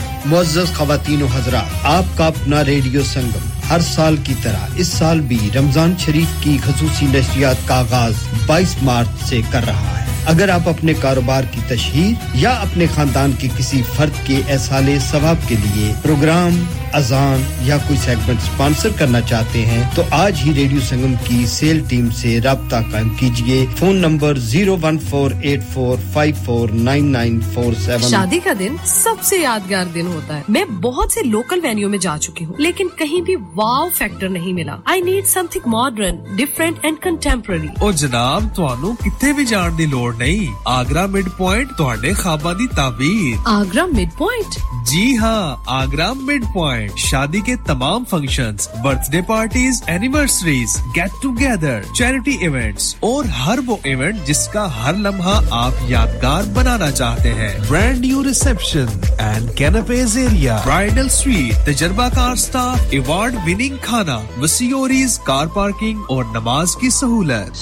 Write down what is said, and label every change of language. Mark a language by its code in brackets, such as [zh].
[ur] معزز خواتین و حضرات آپ کا اپنا ریڈیو سنگم ہر سال کی طرح اس سال بھی رمضان شریف کی خصوصی نشریات کا آغاز 22 مارچ سے کر رہا ہے اگر آپ اپنے کاروبار کی تشہیر یا اپنے خاندان کے کسی فرد کے احصال ثواب کے لیے پروگرام اذان یا کوئی سیگمنٹ سپانسر کرنا چاہتے ہیں تو آج ہی ریڈیو سنگم کی سیل ٹیم سے رابطہ قائم کیجئے فون نمبر 01484549947 شادی کا دن سب سے یادگار دن ہوتا ہے میں بہت سے لوکل وینیو میں جا چکی ہوں لیکن کہیں بھی واو فیکٹر نہیں ملا [en] I need something modern different and contemporary [pa] او جناب تانوں کتے بھی جان دی لوڑ نہیں آگرہ مڈ پوائنٹ تہاڈے خواباں دی تعبیر آگرہ مڈ پوائنٹ [ur] جی ہاں آگرہ مڈ پوائنٹ شادی کے تمام functions birth day parties anniversaries get together charity events اور ہر وہ ایونٹ جس کا ہر لمحہ آپ یادگار بنانا چاہتے ہیں brand new reception and canapés area bridal sweet تجربہ کار سٹاف ایوارڈ وننگ کھانا وسیوریز کار پارکنگ اور نماز کی سہولت